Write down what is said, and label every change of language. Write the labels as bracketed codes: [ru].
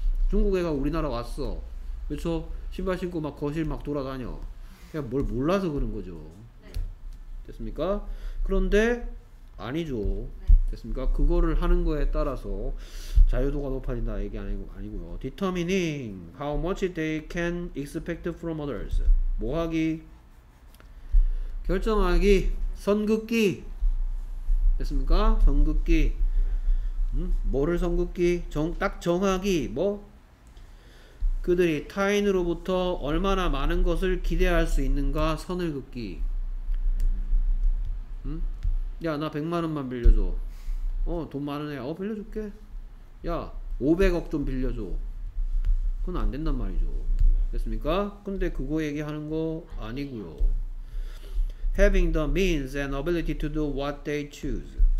[ko] 중국 애가 우리나라 왔어. 그쵸? 신발 신고 막 거실 막 돌아다녀. 그냥 뭘 몰라서 그런 거죠. 됐습니까? 그런데 아니죠. 네. 됐습니까? 그거를 하는 거에 따라서 자유도가 높아진다 얘기 아니고요. [en] Determining how much they can expect from others. [ko] 뭐하기? 결정하기. 선긋기. 됐습니까? 선긋기. 뭐를 선긋기? 딱 정하기. 뭐? 그들이 타인으로부터 얼마나 많은 것을 기대할 수 있는가 선을 긋기. 야, 나 100만원만 빌려줘. 어, 돈 많은 애. 어, 빌려줄게. 야, 500억 좀 빌려줘. 그건 안 된단 말이죠. 됐습니까? 근데 그거 얘기하는 거 아니고요. [en] Having the means and ability to do what they choose.